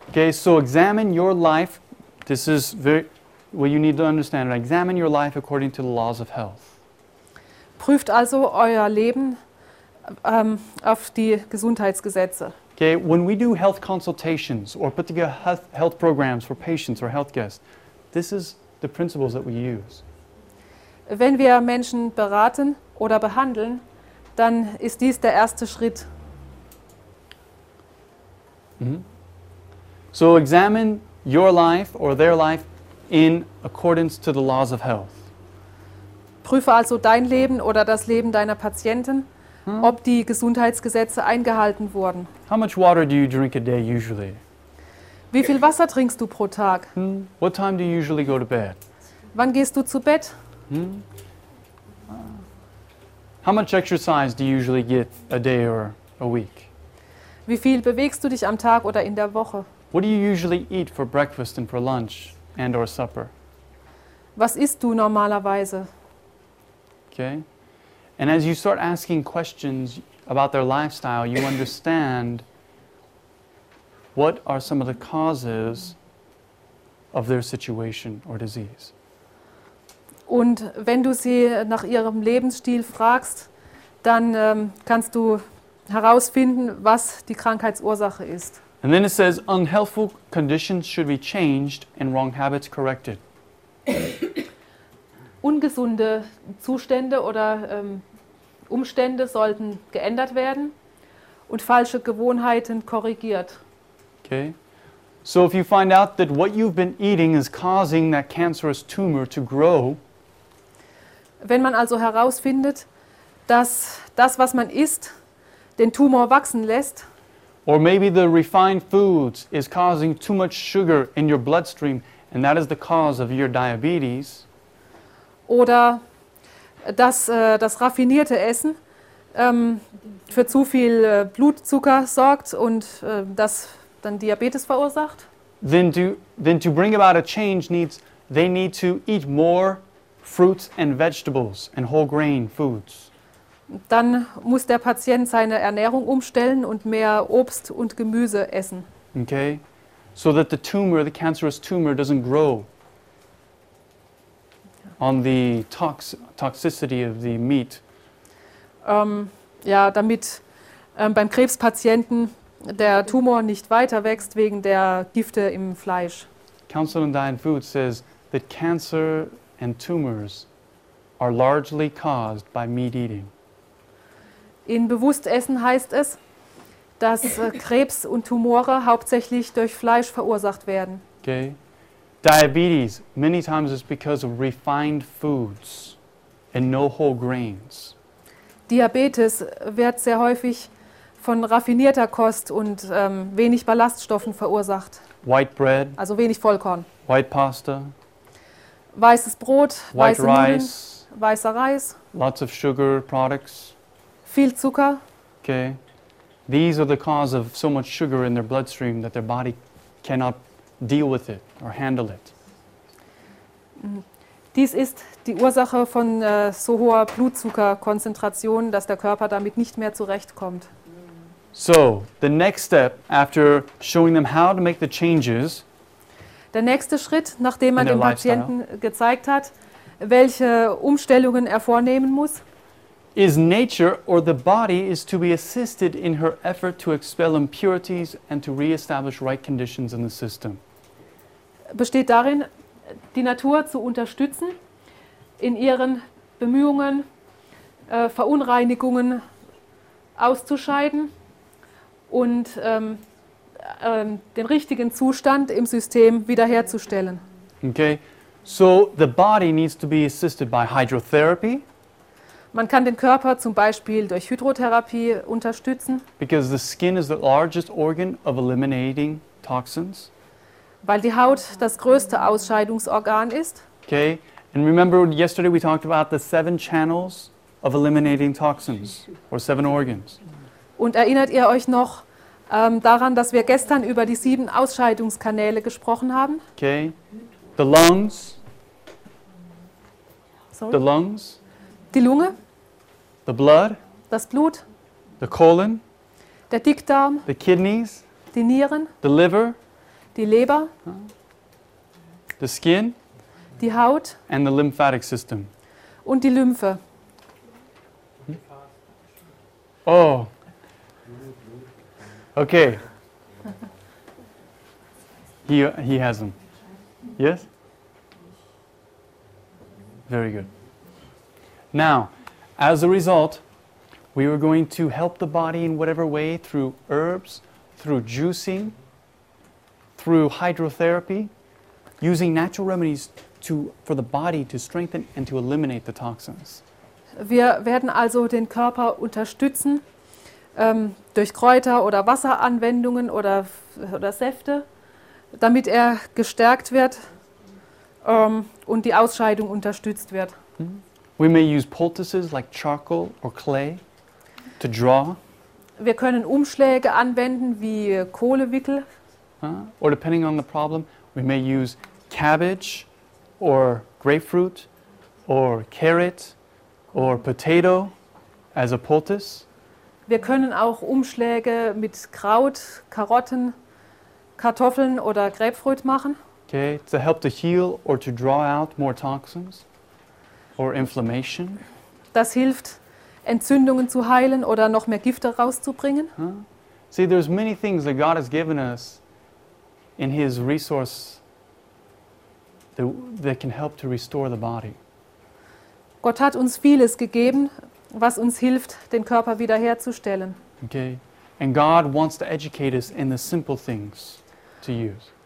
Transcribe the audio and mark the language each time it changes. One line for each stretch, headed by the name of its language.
English: Okay, so examine your life. This is what you need to understand. Examine your life according to the laws of health.
German: Prüft also euer Leben auf die Gesundheitsgesetze.
English: Okay, when we do health consultations or put together health programs for patients or health guests, this is the principles that we use.
German: Wenn wir Menschen beraten oder behandeln, dann ist dies der erste Schritt.
English: So examine your life or their life in accordance to the laws of health.
German: Prüfe also dein Leben oder das Leben deiner Patienten, ob die Gesundheitsgesetze eingehalten wurden.
English: How much water do you drink a day usually?
German: Wie viel Wasser trinkst du pro Tag?
English: What time do you usually go to bed?
German: Wann gehst du zu Bett?
English: How much exercise do you usually get a day or a week?
German: Wie viel bewegst du dich am Tag oder in der Woche?
English: What do you usually eat for breakfast and for lunch and or supper?
German: Was isst du normalerweise?
English: Okay. And as you start asking questions about their lifestyle, you understand what are some of the causes of their situation or disease.
German: Und wenn du sie nach ihrem Lebensstil fragst, dann kannst du herausfinden, was die Krankheitsursache ist.
English: And then it says, unhealthful conditions should be changed and wrong habits corrected.
German: Ungesunde Zustände oder Umstände sollten geändert werden und falsche Gewohnheiten korrigiert.
English: Okay. So if you find out that what you've been eating is causing that cancerous tumor to grow,
German: wenn man also herausfindet, dass das, was man isst, den Tumor wachsen lässt,
English: or maybe the refined foods is causing too much sugar in your bloodstream and that is the cause of your diabetes,
German: oder dass das raffinierte Essen für zu viel Blutzucker sorgt und das dann Diabetes verursacht,
English: then to bring about a change needs, they need to eat more fruits and vegetables and whole grain foods.
German: Dann muss der Patient seine Ernährung umstellen und mehr Obst und Gemüse essen.
English: Okay, so that the tumor, the cancerous tumor, doesn't grow on the toxicity of the meat.
German: Ja, damit beim Krebspatienten der Tumor nicht weiter wächst wegen der Gifte im Fleisch.
English: Council on Diet and Food says that cancer and tumors are largely caused by meat eating.
German: In Bewusstessen heißt es, dass Krebs und Tumore hauptsächlich durch Fleisch verursacht werden.
English: Okay. Diabetes, many times it's because of refined foods and no whole grains.
German: Diabetes wird sehr häufig von raffinierter Kost und wenig Ballaststoffen verursacht.
English: White bread.
German: Also wenig Vollkorn.
English: White pasta.
German: Weißes Brot,
English: white rice,
German: weißer Reis.
English: Lots of sugar products.
German: Viel Zucker.
English: Okay. These are the cause of so much sugar in their bloodstream that their body cannot deal with it or handle it.
German: Dies ist die Ursache von so hoher Blutzuckerkonzentration, dass der Körper damit nicht mehr zurechtkommt.
English: So, the next step after showing them how to make the changes.
German: Der nächste Schritt, nachdem man dem Patienten gezeigt hat, welche Umstellungen er vornehmen muss,
English: is nature or the body is to be assisted in her effort to expel impurities and to reestablish right conditions in the system.
German: Besteht darin, die Natur zu unterstützen in ihren Bemühungen, Verunreinigungen auszuscheiden und den richtigen Zustand im System wiederherzustellen.
English: Okay, so the body needs to be assisted by hydrotherapy.
German: Man kann den Körper zum Beispiel durch Hydrotherapie unterstützen.
English: Because the skin is the largest organ of eliminating toxins.
German: Weil die Haut das größte Ausscheidungsorgan ist.
English: Okay, and remember yesterday we talked about the 7 channels of eliminating toxins or 7 organs.
German: Und erinnert ihr euch noch daran, dass wir gestern über die 7 Ausscheidungskanäle gesprochen haben?
English: Okay, the lungs. Sorry? The lungs.
German: Die Lunge.
English: The blood.
German: Das Blut.
English: The colon.
German: Der Dickdarm.
English: The kidneys.
German: Die Nieren.
English: The liver.
German: Die Leber.
English: The skin.
German: Die Haut.
English: And the lymphatic system.
German: Und die Lymphe. Oh.
English: Okay. He has them. Yes? Very good. Now, as a result, we are going to help the body in whatever way, through herbs, through juicing, through hydrotherapy, using natural remedies for the body to strengthen and to eliminate the toxins.
German: Wir werden also den Körper unterstützen durch Kräuter oder Wasseranwendungen oder Säfte, damit er gestärkt wird und die Ausscheidung unterstützt wird.
English: We may use poultices like charcoal or clay to draw.
German: Wir können Umschläge anwenden wie Kohlewickel.
English: Or depending on the problem, we may use cabbage or grapefruit or carrot or potato as a poultice.
German: Wir können auch Umschläge mit Kraut, Karotten, Kartoffeln oder Grapefruit machen.
English: Okay, to help to heal or to draw out more toxins or inflammation.
German: Das hilft, Entzündungen zu heilen oder noch mehr Gifte rauszubringen. Huh?
English: See, there's many things that God has given us in his resource that can help to restore the body.
German: Gott hat uns vieles gegeben, was uns hilft, den Körper wiederherzustellen.
English: Okay. And God wants to educate us in the simple things to use.